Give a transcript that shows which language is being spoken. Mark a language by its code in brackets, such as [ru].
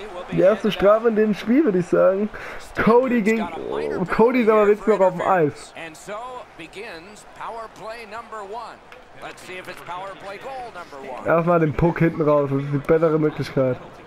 [de] Die erste Strafe in dem Spiel, würde ich sagen. Cody ging. Oh, Cody ist aber jetzt noch auf dem Eis. [en] And so begins power play number one. Let's see if it's power play goal number one. [de] Erstmal den Puck hinten raus, das ist die bessere Möglichkeit.